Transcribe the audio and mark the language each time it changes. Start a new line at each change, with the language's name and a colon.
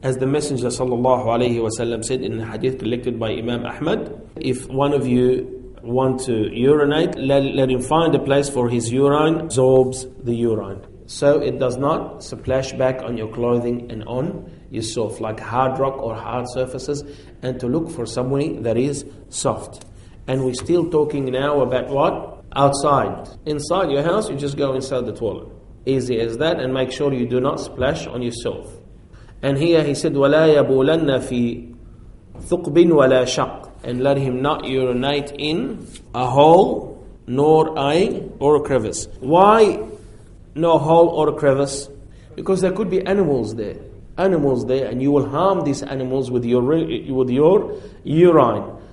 English: As the Messenger sallallahu alayhi wa sallam said in the hadith collected by Imam Ahmad, if one of you want to urinate, let him find a place for his urine, absorbs the urine, so it does not splash back on your clothing and on yourself, like hard rock or hard surfaces, and to look for somewhere that is soft. And we're still talking now about what? Outside. Inside your house, you just go inside the toilet. Easy as that, and make sure you do not splash on yourself. And here he said,
Arabic: وَلَا يَبُولَنَّ فِي ثُقْبٍ وَلَا شَقٍ.
English: And let him not urinate in a hole, nor a or a crevice. Why? No hole or a crevice, because there could be animals there, and you will harm these animals with your urine.